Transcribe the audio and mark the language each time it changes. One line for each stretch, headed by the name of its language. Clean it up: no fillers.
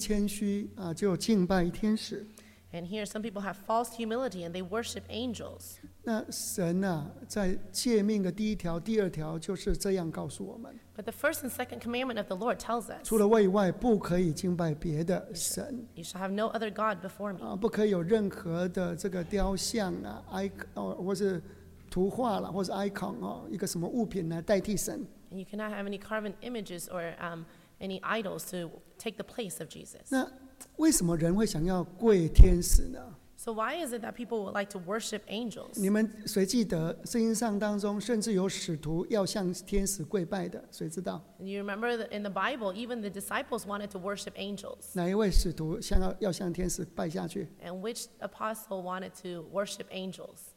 Chinese: 有的人他们会因着谦虚呢，故意谦虚就敬拜天使。
English: And here some people have false humility and they worship angels.
Chinese: 那神啊，在诫命的第一条、第二条就是这样告诉我们。
English: But the first and second commandment of the Lord tells us.
Chinese: 除了我以外，不可以敬拜别的神。
English: You shall have no other god before me.
Chinese: 不可以有任何的这个雕像啊，或是图画了，或是icon，一个什么物品来代替神。
English: And you cannot have any carven images or any idols to take the place of Jesus.
Chinese: 那为什么人会想要跪天使呢？
English: So why is it that people would like to worship angels?
Chinese: 你们谁记得圣经上当中甚至有使徒要向天使跪拜的？谁知道？
English: You remember that in the Bible, even the disciples wanted to worship angels.
Chinese: 哪一位使徒要向天使拜下去？
English: And which apostle wanted to worship angels?